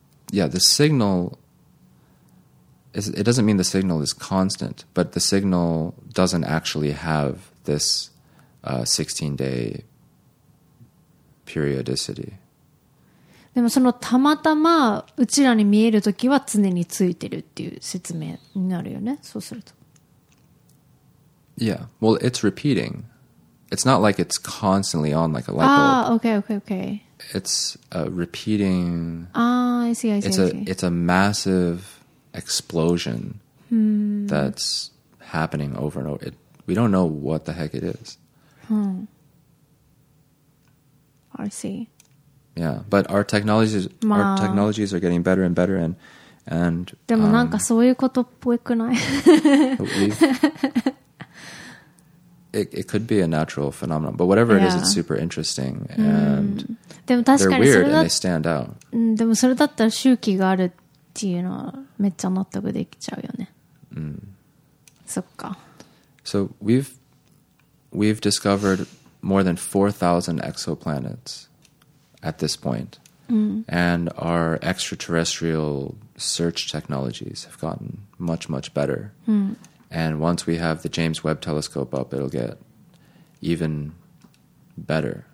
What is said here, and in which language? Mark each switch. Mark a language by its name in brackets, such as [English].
[English] Yeah, the signal... It doesn't mean the signal is constant, but the signal doesn't actually have this 16-day periodicity. [Japanese] でもそのたまたまうちらに見えるときは常についてるっていう説明になるよね。そうすると。 [English] Yeah, well, it's repeating. It's not like it's constantly on like a light bulb. Ah, okay. It's a repeating. Ah, I see. It's a massive explosion that's happening over and over. We don't know what the heck it is. I see. Yeah, but our technologies are getting better and better and. [Japanese] でもなんかそういうことっぽくない? [English] It could be a natural phenomenon, but whatever it is, it's super interesting and [Japanese] でも確かにそれだ [English] they're weird and they stand out. [Japanese] でもそれだったら周期があるっていうのはめっちゃ納得できちゃうよね。そっか。 [English] So we've discovered more than 4,000 exoplanets at this point, and our extraterrestrial search technologies have gotten much much better. And once we have the James Webb Telescope up, it'll get even better.